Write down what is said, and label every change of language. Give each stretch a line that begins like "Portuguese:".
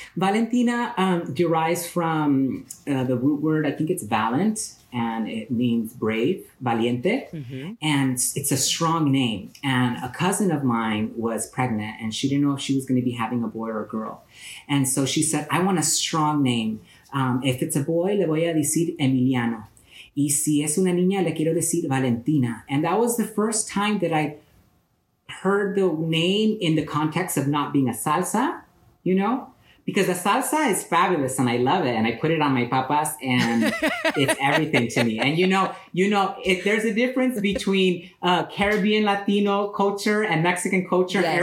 English: Valentina derives from the root word, I think it's valent, and it means brave, valiente. Mm-hmm. And it's a strong name. And a cousin of mine was pregnant, and she didn't know if she was going to be having a boy or a girl. And so she said, I want a strong name. If it's a boy,
Spanish: le voy a decir Emiliano. Y si es una niña, le quiero decir Valentina.
English: And that was the first time that I heard the name in the context of not being a salsa, you know? Because a salsa is fabulous and I love it. And I put it on my papas and it's everything to me. And you know, if there's a difference between Caribbean Latino culture and Mexican culture. Yes.